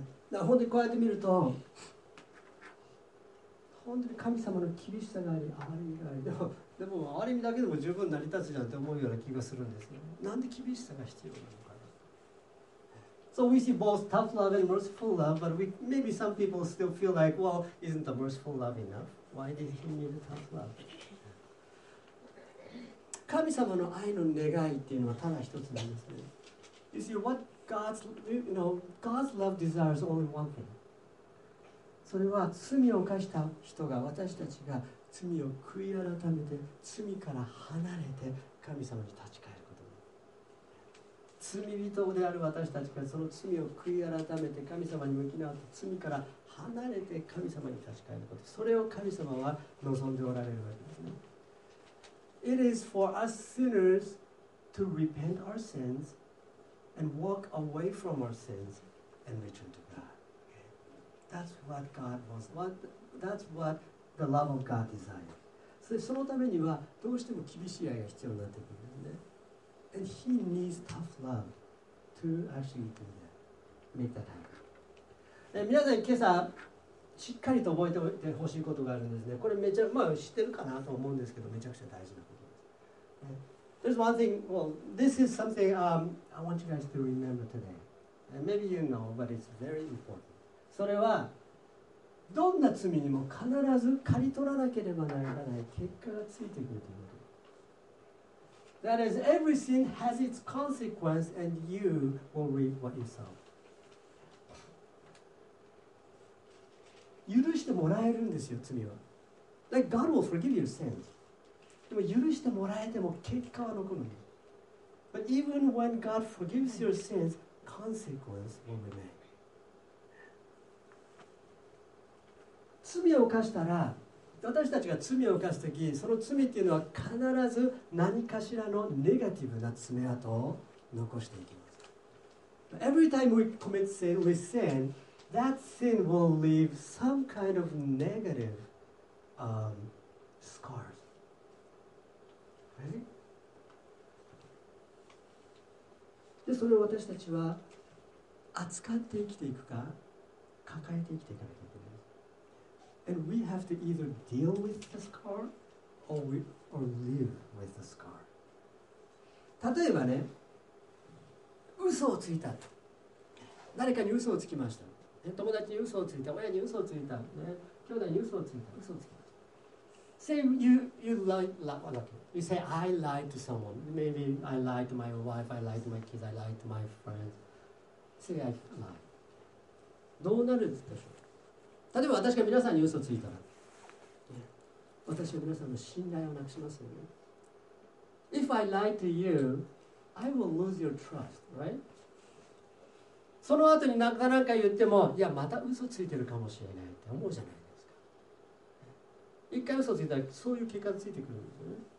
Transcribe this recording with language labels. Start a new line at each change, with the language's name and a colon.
Japanese: だから本当にこうやって見ると本当に神様の厳しさがあり憐れみがあり、でも憐れみだけでも十分成り立つじゃんって思うような気がするんですよ。なんで厳しさが必要なのかな。
English: So we see both tough love and merciful love, but maybe some people still feel like, well, isn't the merciful love enough? Why did he need a tough love?
Japanese: 神様の愛の願いっていうのはただ一つなんですね。
English: You see, what God's, you know, God's love desires only one thing.
Japanese: それは罪を犯した人が、私たちが罪を悔い改めて罪から離れて神様に立ち返ること。罪人である私たちがその罪を悔い改めて神様に向き直って罪から離れて神様に立ち返ること、それを神様は望んでおられるわけですね。
English: It is for us sinners to repent our sins and walk away from our sins and return to God. That's what God wants. That's whatThe love of God desires.
Japanese: そのためにはどうしても厳しい愛が必要になってくるんですね。
English: And he needs tough love to actually do that, make that happen.
Japanese: 皆さん今朝しっかりと覚えておいてほしいことがあるんですね。これめちゃ、まあ、知ってるかなと思うんですけど、めちゃくちゃ大事なことです。
English: There's one thing. Well, this is something I want you guys to remember today. Maybe you know, but it's very important.
Japanese: それはどんな罪にも必ず刈り取らなければならない結果がついてくるということ。
English: That is, every sin has its consequence and you will reap what you sow.
Japanese: 許してもらえるんですよ、罪は。
English: Like, God will forgive your sins.
Japanese: でも許してもらえても結果は残るんです。
English: But even when God forgives your sins, consequence will remain.
Japanese: 罪を犯したら、私たちが罪を犯すとき、その罪っていうのは必ず何かしらのネガティブな爪痕を残していきます。
English: Every time we commit sin, we sin, that sin will leave some kind of negative, scars. Right?
Japanese: で、それを私たちは扱って生きていくか、抱えて生きていかなきゃいけない。
English: And we have to either deal with the scar or live with the scar.
Japanese: 例えばね、嘘嘘をついた。誰かに嘘をつきました。友達に嘘をついた。親に嘘をついた。ね、兄弟に嘘をついた。嘘をつきました。
English: Say you say I lied to someone. Maybe I lied to my wife. I lied to my kids. I lied to my friends. Say I lied.
Japanese: どうなるでしょう。例えば私が皆さんに嘘をついたら、ね、私は皆さんの信頼をなくしますよね。
English: If I lie to you, I will lose your trust, right?
Japanese: その後になかなか言っても、いや、また嘘ついてるかもしれないって思うじゃないですか。一回嘘ついたら、そういう結果ついてくるんですよね。